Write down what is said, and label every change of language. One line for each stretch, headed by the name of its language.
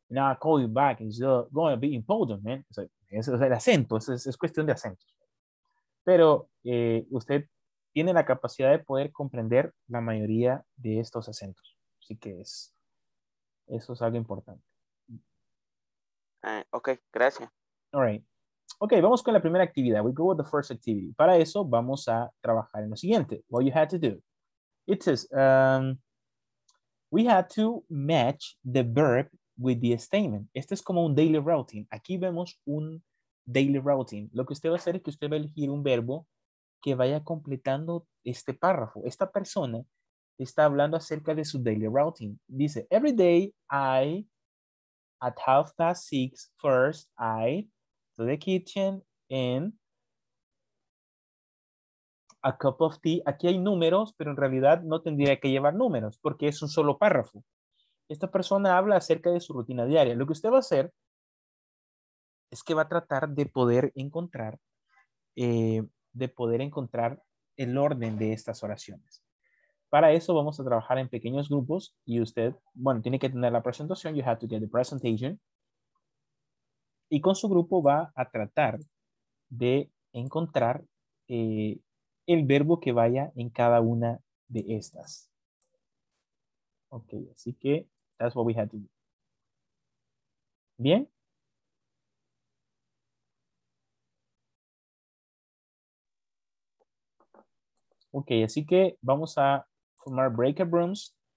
English: Now I call you back, it's going to be important, man.
Spanish: Es el acento, es cuestión de acento. Pero usted tiene la capacidad de poder comprender la mayoría de estos acentos. Así que eso es algo importante. Ok, gracias.
English: All right. Ok,
Spanish: vamos con la primera actividad.
English: We go with the first activity.
Spanish: Para eso, vamos a trabajar en lo siguiente.
English: What you had to do. It says, we had to match the verb with the statement.
Spanish: Este es como un daily routine. Aquí vemos un daily routine. Lo que usted va a hacer es que usted va a elegir un verbo que vaya completando este párrafo. Esta persona está hablando acerca de su daily routine.
English: Dice, every day I, at 6:30, first I, to the kitchen, and a cup of tea.
Spanish: Aquí hay números, pero en realidad no tendría que llevar números, porque es un solo párrafo. Esta persona habla acerca de su rutina diaria. Lo que usted va a hacer es que va a tratar de poder encontrar el orden de estas oraciones. Para eso vamos a trabajar en pequeños grupos y usted, bueno, tiene que tener la presentación.
English: You have to get the presentation.
Spanish: Y con su grupo va a tratar de encontrar el verbo que vaya en cada una de estas.
English: Ok,
Spanish: así que
English: that's what we had to do. ¿Bien?
Spanish: Ok, así que vamos a formar breakout rooms.